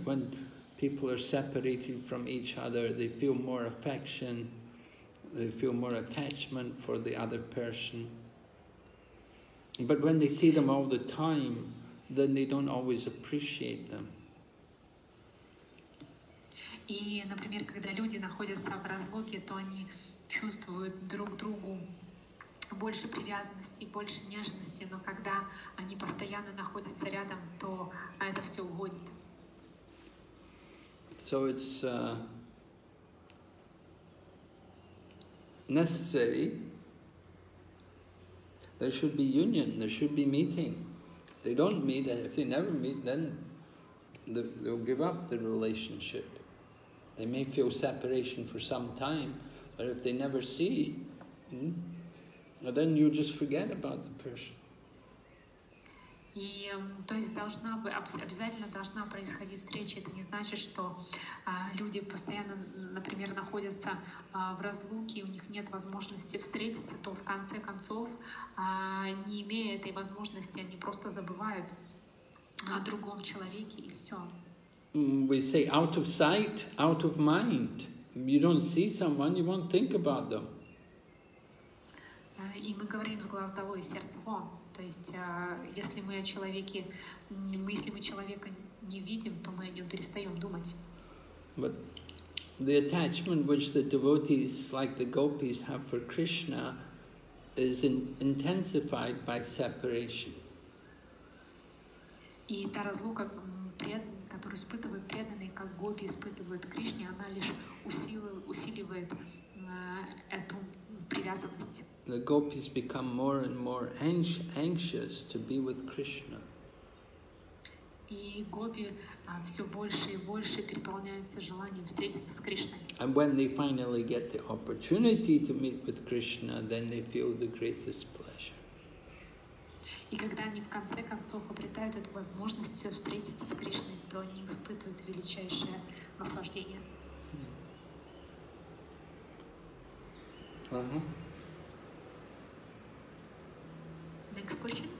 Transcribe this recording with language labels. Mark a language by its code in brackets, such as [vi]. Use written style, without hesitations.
[en] When people are separated from each other, they feel more affection, they feel more attachment for the other person. But when they see them all the time, then they don't always appreciate them. [ru] И, например, когда люди находятся в разлуке, то они чувствуют друг другу больше привязанности, больше нежности, но когда они постоянно находятся рядом, то это все уходит. [en] So it's necessary. There should be union, there should be meeting. If they don't meet, if they never meet, then they'll give up the relationship. They may feel separation for some time, but if they never see, then you just forget about the person. [ru] И то есть должна бы обязательно должна происходить встреча. Это не значит, что люди постоянно, например, находятся в разлуке, у них нет возможности встретиться, то в конце концов, не имея этой возможности, они просто забывают о другом человеке и все. [en] We say out of sight, out of mind. You don't see someone, you won't think about them. [ru] И мы говорим с глаз долой, сердце вон. То есть, если мы о человеке, если мы человека не видим, то мы о нем перестаем думать. [en] But the attachment which the devotees, like the gopis, have for Krishna is intensified by separation. [ru] И та разлука, которую испытывают преданные, как гопи испытывают Кришне, она лишь усиливает эту привязанность. [en] The gopis become more and more anxious to be with Krishna. [ru] И гопи все больше и больше переполняются желанием встретиться с Кришной. [en] And when they finally get the opportunity to meet with Krishna, then they feel the greatest pleasure. [ru] И когда они в конце концов обретают эту возможность встретиться с Кришной, то они испытывают величайшее наслаждение. [en] Next question?